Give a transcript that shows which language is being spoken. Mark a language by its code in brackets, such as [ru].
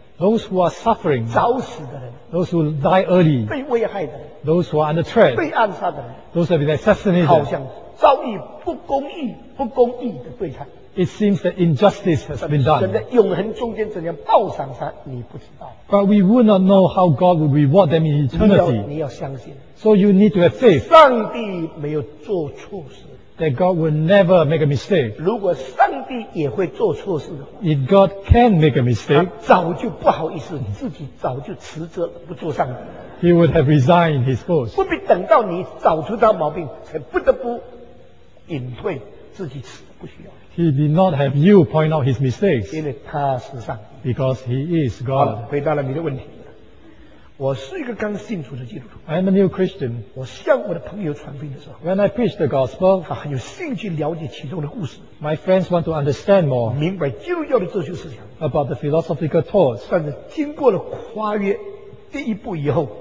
[en] Those who are suffering, [zh] 早死的人, [en] those who die early, [zh] 被危害的人, [en] those who are under threat, [zh] 被暗杀的人, [en] those who have been assassinated, [zh] 好像遭遇不公义, 不公义的对待。 [en] It seems that injustice has been done. [zh] 神在永恒中间怎样报偿他, 你不知道。 [en] But we would not know how God would reward them in eternity. [zh] 你要相信。 [en] So you need to have faith. [zh] 上帝没有做错事。 [en] That God will never make a mistake. [zh] 如果上帝也会做错事的话， [en] If God can make a mistake, [zh] 他早就不好意思，自己早就辞职不做上帝。 [en] He would have resigned his post. [zh] 不必等到你找出他毛病，才不得不隐退，自己辞不需要。 [en] He did not have you point out his mistakes. [zh] 因为他是上帝。 [en] Because he is God. [zh] 回答了你的问题。我是一个刚信主的基督徒。 [en] I'm a new Christian. [zh] 我向我的朋友传福音的时候 [en] ，When I preach the gospel， [zh] 他很有兴趣了解其中的故事。 [en] My friends want to understand more， [zh] 明白基督教的哲学思想。 [en] About the philosophical thoughts， [zh] 但是经过了跨越第一步以后